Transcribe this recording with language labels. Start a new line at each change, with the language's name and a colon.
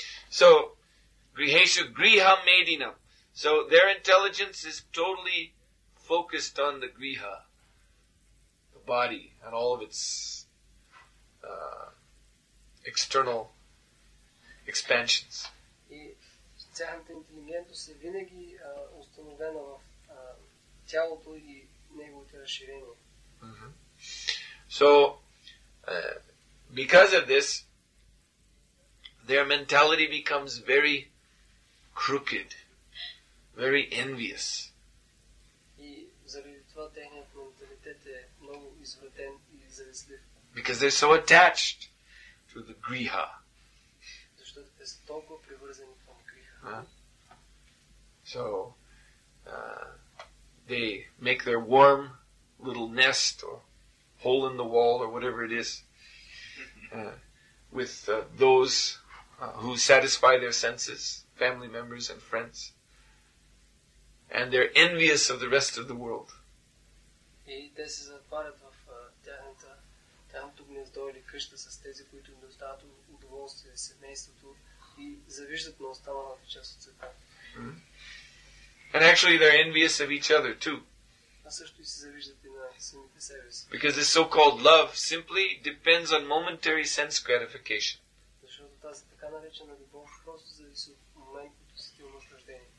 English: So,
Sanskrit: griheshu griha medina.
English: So, their intelligence is totally focused on the griha, the body, and all of its external expansions.
Bulgarian: Тяхната интелигентност е винаги установена в тялото и неговите разширения.
English: So, because of this, their mentality becomes very crooked, very envious.
Bulgarian: И заради това техният менталитет е много извратен и завистлив.
English: Because they're so attached to the griha.
Bulgarian: Защото те са толкова привързани към гриха.
English: So, they make their warm little nest or hole in the wall or whatever it is with those who satisfy their senses, family members and friends. And they're envious of the rest of the world.
Bulgarian: И те се затварят в тяхното гнездо или къща с тези, които им доставят удоволствие, семейството и завиждат на останалата част от света.
English: And actually they're envious of each other too.
Bulgarian: А също и се завиждат и на самите себе си.
English: Because this so-called love simply depends on momentary sense gratification.
Bulgarian: Защото тази така наречена любов просто зависи от моментното сетивно наслаждение.